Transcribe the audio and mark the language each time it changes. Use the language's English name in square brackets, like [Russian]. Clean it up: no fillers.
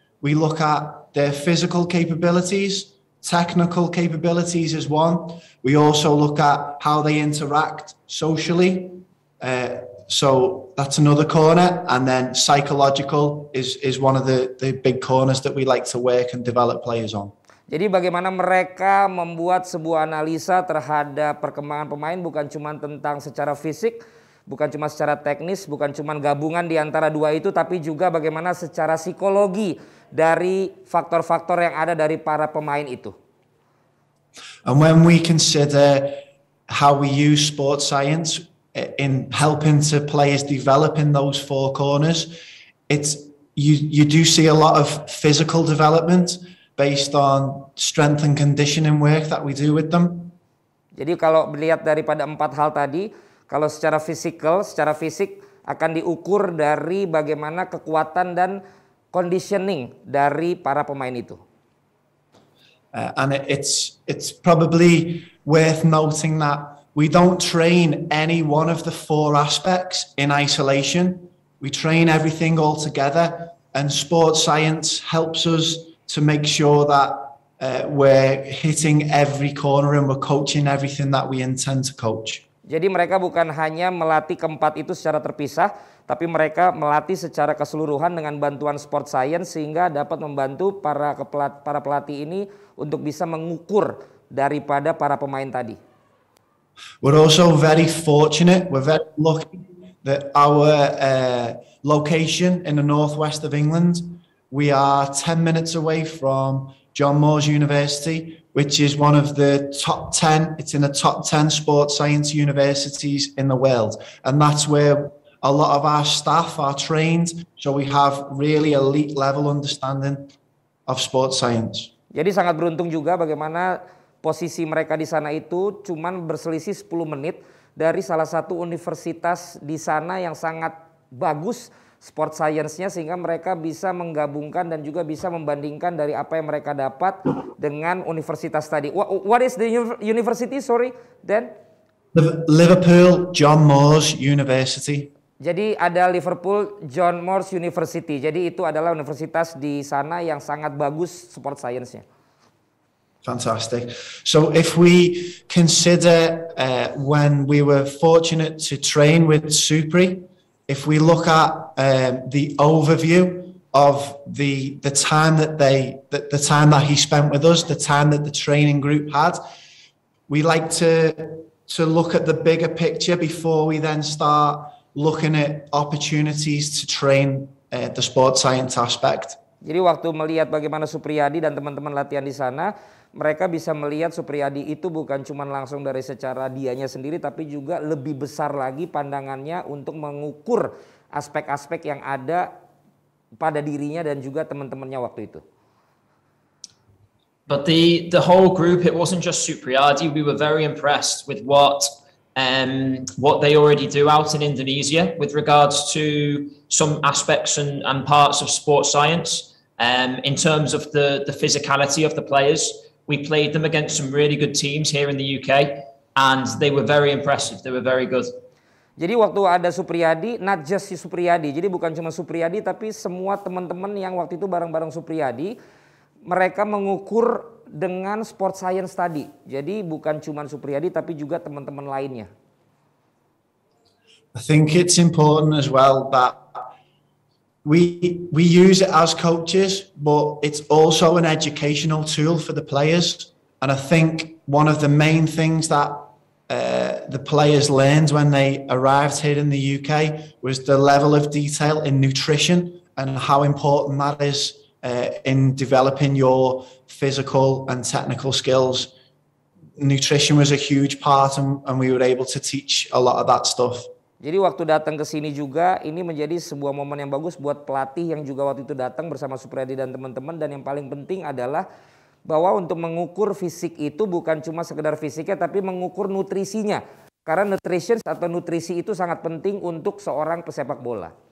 [English] We look at their physical capabilities. Technical capabilities is one. We also look at how they interact socially. So that's another corner. And then psychological is one of the big corners that we like to work and develop players on. [Indonesian] Jadi bagaimana mereka membuat sebuah analisa terhadap perkembangan pemain, bukan cuma tentang secara fisik, bukan cuma secara teknis, bukan cuma gabungan di antara dua itu, tapi juga bagaimana secara psikologi dari faktor-faktor yang ada dari para pemain itu. [English] And when we consider how we use sports science in helping to players develop in those four corners, you do see a lot of physical development based on strength and conditioning work that we do with them. [Indonesian] Jadi kalau melihat daripada empat hal tadi, kalau secara physical, secara fisik akan diukur dari bagaimana kekuatan dan conditioning dari para pemain itu. [English] And it's probably worth noting that we don't train any one of the four aspects in isolation. We train everything all together, and sports science helps us to make sure that we're hitting every corner and we're coaching everything that we intend to coach. [Indonesian] Jadi mereka bukan hanya melatih keempat itu secara terpisah, tapi mereka melatih secara keseluruhan dengan bantuan sport science sehingga dapat membantu para pelatih ini untuk bisa mengukur daripada para pemain tadi. [English] We're also very fortunate, we're very lucky that our location in the northwest of England, we are 10 minutes away from John Moores University, which is one of the top 10, it's in the top 10 sports science universities in the world. And that's where a lot of our staff are trained, so we have really elite level understanding of sports science. [Indonesian] Jadi sangat beruntung juga bagaimana posisi mereka di sana itu cuman berselisih 10 menit dari salah satu universitas di sana yang sangat bagus sport science-nya, sehingga mereka bisa menggabungkan dan juga bisa membandingkan dari apa yang mereka dapat dengan universitas tadi. [English] What is the university, sorry, Dan? Liverpool John Moores University. [Indonesian] Jadi ada Liverpool John Moores University. Jadi itu adalah universitas di sana yang sangat bagus sport science-nya. [English] Fantastic. So if we consider when we were fortunate to train with Supri, if we look at the overview of the time that he spent with us, the time that the training group had, we like to look at the bigger picture before we then start looking at opportunities to train the sports science aspect. [Indonesian] Jadi waktu melihat bagaimana Supriadi dan teman-teman latihan di sana, mereka bisa melihat Supriadi itu bukan cuma langsung dari secara dianya sendiri, tapi juga lebih besar lagi pandangannya untuk mengukur aspek-aspek yang ada pada dirinya dan juga teman-temannya waktu itu. [English] But the whole group, it wasn't just Supriadi. We were very impressed with what they already do out in Indonesia with regards to some aspects and parts of sports science. In terms of the physicality of the players, we played them against some really good teams here in the UK, and they were very impressive. They were very good. [Indonesian] Jadi waktu ada Supriadi, [English] not just [Indonesian] si Supriadi, jadi bukan cuma Supriadi, tapi semua teman-teman yang waktu itu bareng-bareng Supriadi, mereka mengukur dengan sport science tadi. Jadi bukan cuma Supriadi, tapi juga teman-teman lainnya. [English] I think it's important as well that we use it as coaches, but it's also an educational tool for the players. And I think one of the main things that the players learned when they arrived here in the UK was the level of detail in nutrition and how important that is in developing your physical and technical skills. Nutrition was a huge part, and we were able to teach a lot of that stuff. [Indonesian] Jadi waktu datang ke sini juga, ini menjadi sebuah momen yang bagus buat pelatih yang juga waktu itu datang bersama Supriadi dan teman-teman. Dan yang paling penting adalah bahwa untuk mengukur fisik itu bukan cuma sekedar fisiknya, tapi mengukur nutrisinya. Karena nutrition atau nutrisi itu sangat penting untuk seorang pesepak bola.